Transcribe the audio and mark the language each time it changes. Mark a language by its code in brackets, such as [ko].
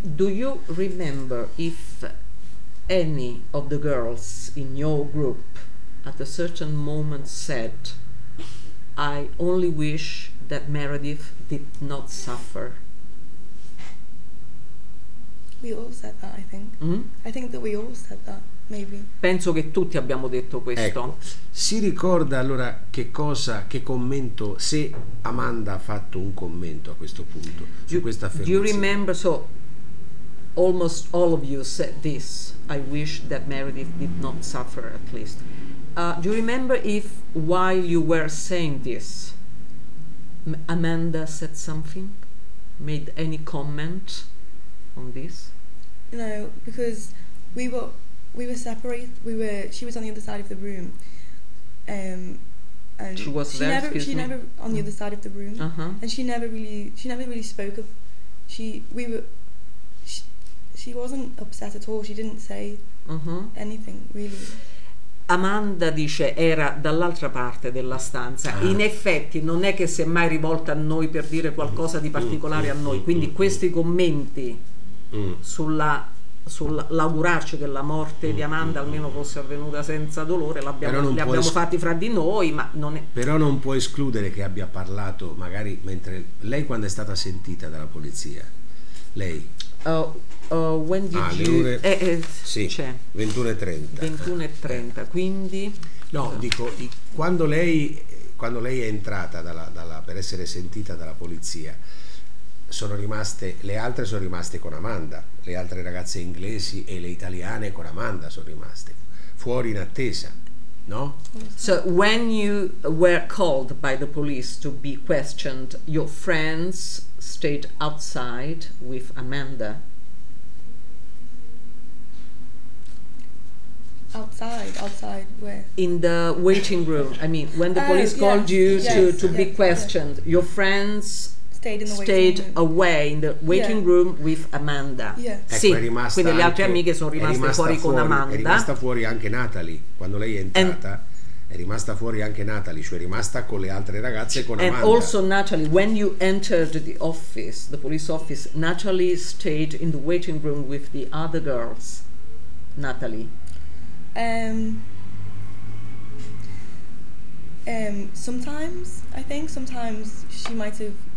[en] Do you remember if any of the girls in your group at a certain moment said I only wish that Meredith did not suffer? We all said that, I think. I think that we all said that, maybe. [it] Penso che tutti abbiamo detto questo. Ecco, si ricorda allora che cosa, che commento, se Amanda ha fatto un commento a questo punto, su questa affermazione. [en] Do you remember, so almost all of you said this, I wish that Meredith did not suffer at least. Do you remember if while you were saying this, Amanda said something, made any comment? On this? No, because we were separated. She was on the other side of the room. And she was there. She never on the other side of the room. Uh-huh. And she never really spoke of. She wasn't upset at all. She didn't say anything really. [it] Amanda dice era dall'altra parte della stanza, in effetti non è che si è mai rivolta a noi per dire qualcosa di particolare a noi, quindi questi commenti sull'augurarci che la morte di Amanda almeno fosse avvenuta senza dolore li abbiamo fatti fra di noi, ma non è... Però non può escludere che abbia parlato magari mentre lei, quando è stata sentita dalla polizia, lei [en] when did you... [it] sì, 21:30 quindi no, dico quando lei è entrata dalla per essere sentita dalla polizia. Sono rimaste, le altre sono rimaste con Amanda, le altre ragazze inglesi e le italiane con Amanda sono rimaste fuori in attesa, no? [en] So when you were called by the police to be questioned, your friends stayed outside with Amanda. Outside where? In the waiting room. I mean, when the police called you to be questioned, your friends stayed away in the waiting room with Amanda. Yeah. [it] Ecco, è rimasta, quindi le altre amiche sono rimaste fuori con Amanda. È rimasta fuori anche Natalie, quando lei è entrata, è rimasta fuori anche Natalie, cioè è rimasta con le altre ragazze con Amanda. [en] And also Natalie, when you entered the office, the police office, Natalie stayed in the waiting room with the other girls. Natalie. Sometimes, I think, sometimes she might have...